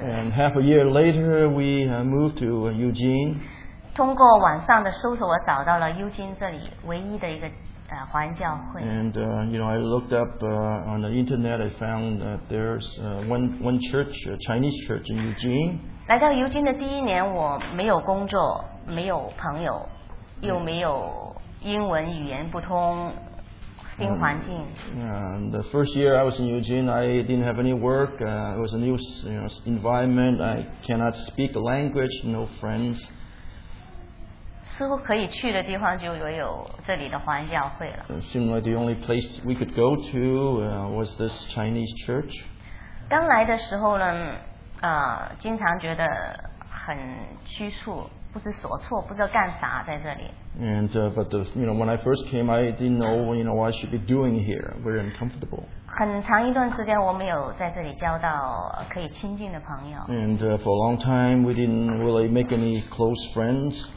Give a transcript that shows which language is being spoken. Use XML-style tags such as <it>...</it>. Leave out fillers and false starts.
<en>And half a year later, we moved to Eugene.</en> <zh>通过网上的搜索，我找到了尤金这里唯一的一个环教会。</zh> <en>And you know, I looked up on the internet. I found that there's one church, a Chinese church in Eugene.</en> <zh>来到尤金的第一年，我没有工作，没有朋友，又没有。英文语言不通，新环境。</zh> <en>And the first year I was in Eugene, I didn't have any work. It was a new, you know, environment. I cannot speak the language. No friends.</en> <zh>似乎可以去的地方就唯有这里的环教会了。</zh> <en>Seemed like the only place we could go to was this Chinese church.</en> <zh>刚来的时候呢，经常觉得很拘束。不知所措，不知道干啥在这里。</zh> <en>And but the, you know, when I first came, I didn't know, you know, what I should be doing here. Very uncomfortable.</en> <zh>很长一段时间，我没有在这里交到可以亲近的朋友。</zh> <en>And for a long time, we didn't really make any close friends.</en>